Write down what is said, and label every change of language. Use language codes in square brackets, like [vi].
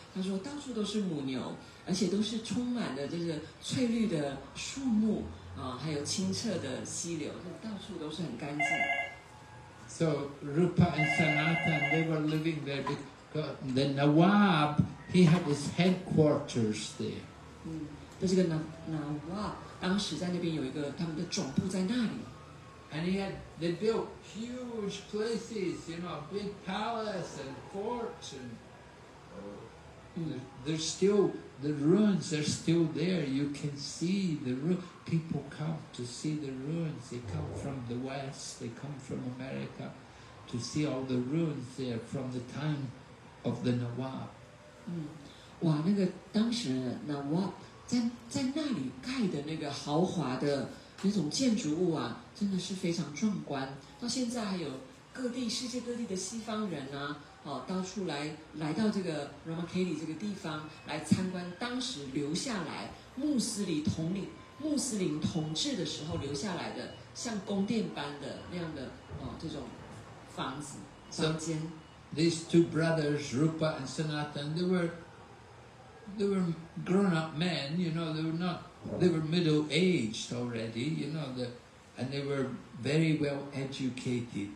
[zh] 他说到处都是母牛，而且都是充满的就是翠绿的树木还有清澈的溪流，到处都是很干净。 [en] So Rupa and Sanatan, they were living there because the Nawab, he had his headquarters there. [zh] 那这个 Nawab 当时在那边有一个他们的总部在那里。 [en] And they built huge places, you know, big palace and forts, and the ruins are still there. You can see the ruins. People come to see the ruins. They come from the West, they come from America to see all the ruins there from the time of the Nawab. [zh] 哇，那个当时 Nawab 在那里盖的那个豪华的那种建筑物啊，真的是非常壮观。到现在还有各地世界各地的西方人啊，到处来到这个 Ramakeli 这个地方来参观当时留下来穆斯林统治的时候留下来的像宫殿般的那样的这种房子房间。 [en] So, these two brothers, Rupa and Sanatan, they were grown up men, you know, they were middle aged already, you know, and they were very well educated.